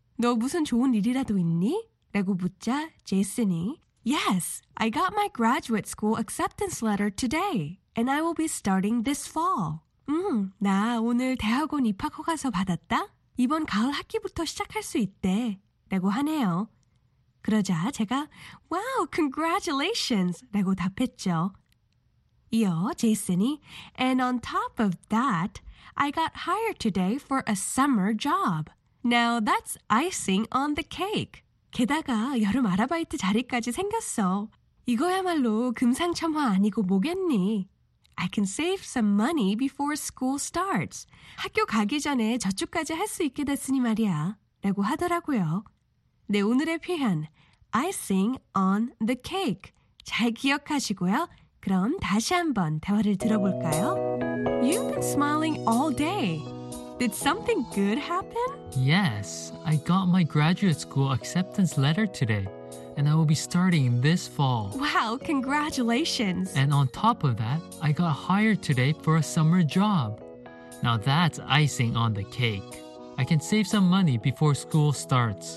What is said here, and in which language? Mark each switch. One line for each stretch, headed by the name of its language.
Korean: 너 무슨 좋은 일이라도 있니? 라고 묻자 제이슨이
English: Yes, I got my graduate school acceptance letter today, and I will be starting this fall.
Korean: 나 오늘 대학원 입학 허가서 받았다. 이번 가을 학기부터 시작할 수 있대. 라고 하네요. 그러자 제가
English: Wow, congratulations!
Korean: 라고 답했죠. 이어 제이슨이
English: And on top of that, I got hired today for a summer job. Now that's icing on the cake.
Korean: 게다가 여름 아르바이트 자리까지 생겼어. 이거야말로 금상첨화 아니고 뭐겠니?
English: I can save some money before school starts.
Korean: 학교 가기 전에 저축까지 할 수 있게 됐으니 말이야. 라고 하더라고요. 네, 오늘의 표현.
English: Icing on the cake.
Korean: 잘 기억하시고요. 그럼 다시 한번 대화를 들어볼까요?
English: You've been smiling all day. Did something good happen? Yes, I got my graduate school acceptance letter today, and I will be starting this fall. Wow, congratulations! And on top of that, I got hired today for a summer job. Now that's icing on the cake. I can save some money before school starts.